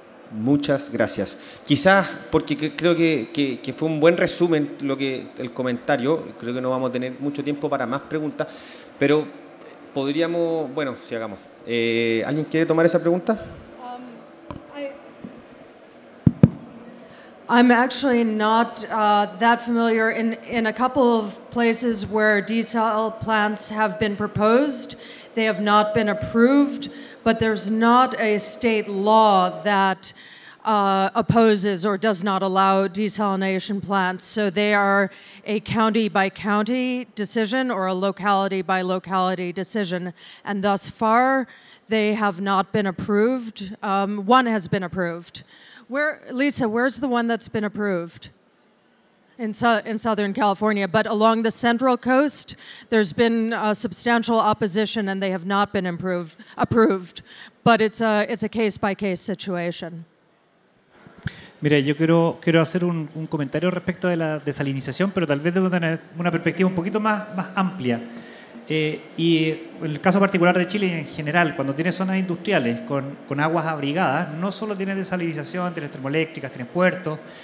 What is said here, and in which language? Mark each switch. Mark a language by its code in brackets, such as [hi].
[es] Muchas gracias. Quizás, porque creo que fue un buen resumen lo que el comentario, creo que no vamos a tener mucho tiempo para más preguntas, pero podríamos, bueno, si hagamos. ¿Alguien quiere tomar esa pregunta? [en] I'm actually not that familiar. In a couple of places where desal plants have been proposed, they have not been approved, but there's not a state law that opposes or does not allow desalination plants. So they are a county by county decision or a locality by locality decision. And thus far, they have not been approved. One has been approved. Where, Lisa, where's the one that's been approved? in Southern California, but along the central coast, there's been a substantial opposition and they have not been approved. But it's a case-by-case situation. [es] Mira, yo quiero hacer un comentario respecto de la desalinización, pero tal vez de una perspectiva un poquito más amplia. Y en el caso particular de Chile, en general, cuando tienes zonas industriales con aguas abrigadas, no solo tienes desalinización, tienes termoeléctricas, tienes puertos.